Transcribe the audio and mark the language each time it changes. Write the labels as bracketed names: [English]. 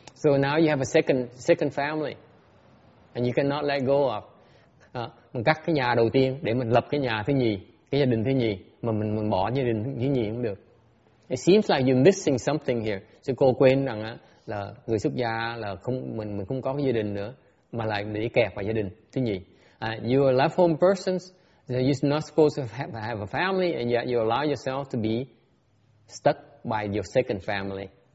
[English] So now you have a second family and you cannot let go of. [Vietnamese] Mình cắt cái nhà đầu tiên để mình lập cái nhà thứ nhì, cái gia đình thứ nhì, mà mình bỏ gia đình thứ nhì cũng được. [English] It seems like you're missing something here. [Vietnamese] So cô quên rằng là người xuất gia là không mình không có gia đình nữa, mà lại bị kẹt vào gia đình thứ nhì. [English] You are left home persons, you're not supposed to have a family, and yet you allow yourself to be stuck by your second family.